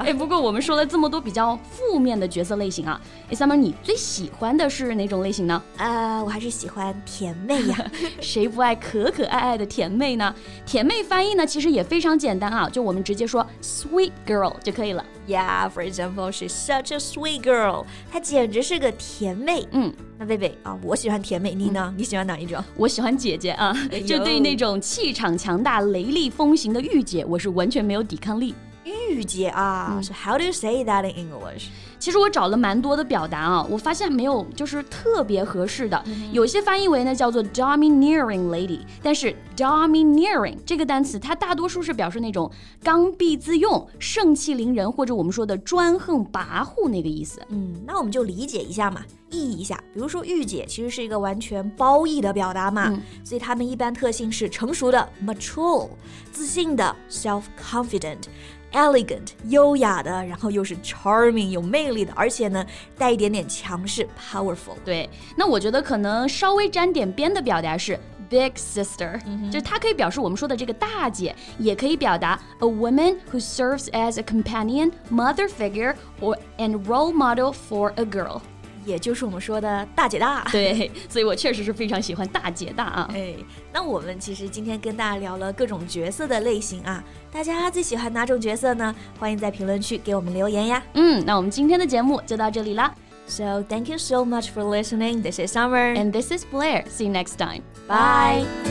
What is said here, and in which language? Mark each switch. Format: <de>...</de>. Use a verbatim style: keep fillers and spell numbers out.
<zh>哎，不过我们说了这么多比较负面的角色类型啊，哎 ，Summer， 你最喜欢的是哪种类型呢？呃，我还是喜欢甜妹呀，谁不爱可可爱爱的甜妹呢？甜妹翻译呢，其实也非常简单啊，就我们直接说 sweet girl 就可以了。</zh> <en>Yeah, for example, she's such a sweet girl.</en> <zh>她简直是个甜妹。嗯，那贝贝啊，我喜欢甜妹，你呢？嗯，你喜欢哪一种？我喜欢姐姐啊，哎，就对那种气场强大、雷厉风行的御姐，我是完全没有抵抗力。御姐啊，嗯，</zh> <en>So how do you say that in English?</en> <zh>其实我找了蛮多的表达啊，我发现没有就是特别合适的，嗯，有些翻译为呢叫做 domineering lady， 但是 domineering 这个单词它大多数是表示那种刚愎自用、盛气凌人，或者我们说的专横跋扈那个意思。嗯，那我们就理解一下嘛，意译一下。比如说御姐其实是一个完全褒义的表达嘛，嗯，所以他们一般特性是成熟的 mature， 自信的 self-confident，elegant 优雅的，然后又是 charming 有魅力的，而且呢带一点点强势 powerful。对，那我觉得可能稍微沾点边的表达是 big sister，嗯，就是它可以表示我们说的这个大姐，也可以表达</zh> <en>a woman who serves as a companion, mother figure or and role model for a girl，</en> <zh>也就是我们说的大姐大。对，所以我确实是非常喜欢大姐大啊。哎，那我们其实今天跟大家聊了各种角色的类型啊，大家最喜欢哪种角色呢？欢迎在评论区给我们留言呀。嗯，那我们今天的节目就到这里啦。</zh> <en>So thank you so much for listening. This is Summer and this is Blair. See you next time. Bye.</en>